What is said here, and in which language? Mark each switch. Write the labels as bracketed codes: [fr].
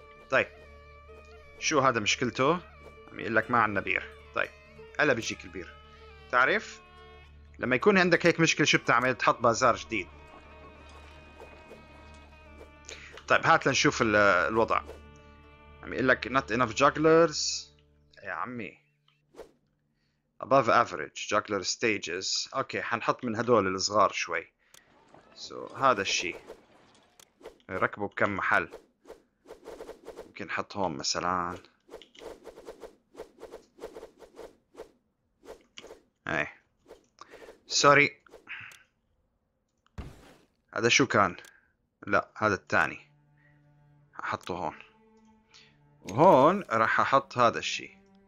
[ar] طيب شو هذا مشكلته؟ عم يقول لك ما عندنا بير. طيب هلا بيجيك البير. تعرف لما يكون عندك هيك مشكله شو بتعمل؟ تحط بازار جديد. طيب هات لنشوف الوضع. عم يقول لك [en] not enough jugglers. [ar] يا عمي [en] above average juggler stages. [ar] اوكي حنحط من هدول الصغار شوي. سو هذا الشيء ركبه بكم محل، ممكن نحط هون مثلا. ايه سوري هذا شو كان؟ لا هذا الثاني حطه هون، وهون راح احط هذا الشيء.